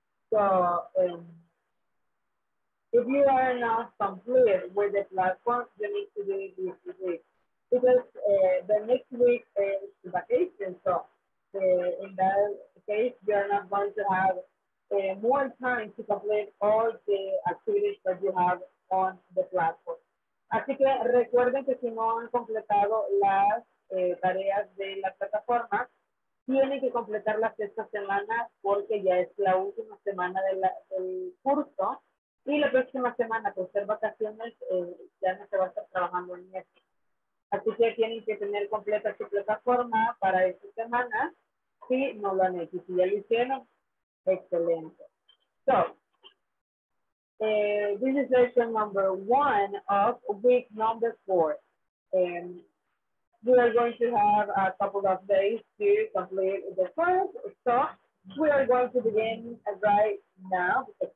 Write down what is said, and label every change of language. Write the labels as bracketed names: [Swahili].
[English] So if you are not complete with the platform, you need to do it this week. Because the next week is vacation, so in that case, you are not going to have more time to complete all the activities that you have on the platform. [Spanish] Así que recuerden que si no han completado las tareas de la plataforma, tienen que completarlas esta semana porque ya es la última semana del curso y la próxima semana, por ser vacaciones, ya no se va a estar trabajando en esto. Así que tienen que tener completa su plataforma para esta semana si no lo han hecho. Si ya lo hicieron, excelente. [English] So, this is session number 1 of week number 4. We are going to have a couple of days to complete the course. So, we are going to begin right now.